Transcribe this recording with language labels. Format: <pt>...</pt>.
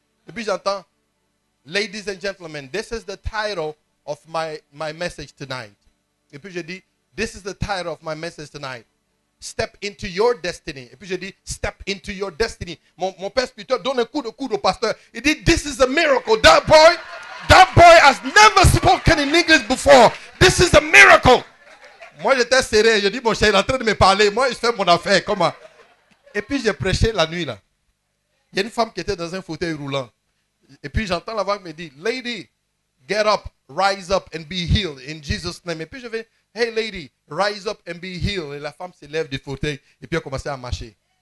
<fr>Et puis j'entends,</fr> <en>ladies and gentlemen, this is the title of my message tonight.</en> <fr>Et puis je dis,</fr> <en>this is the title of my message tonight. Step into your destiny.</en> <fr>Et puis je dis,</fr> <en>step into your destiny.</en> <fr>Mon père spirituel donne un coup de coude au pasteur. Il dit,</fr> <en>this is a miracle. That boy has never spoken in English before. This is a miracle.</en> <fr>Moi, j'étais serré. Je dis, mon cher, il est en train de me parler. Moi, je fais mon affaire. Comment? Et puis j'ai prêché la nuit là. Il y a une femme qui était dans un fauteuil roulant. Et puis j'entends la voix qui me dit,</fr> <en>lady, get up, rise up and be healed in Jesus' name.</en> <fr>Et puis je vais,</fr> <en>hey lady, rise up and be healed.</en> <fr>Et la femme s'élève du fauteuil et puis a commencé à marcher.</fr>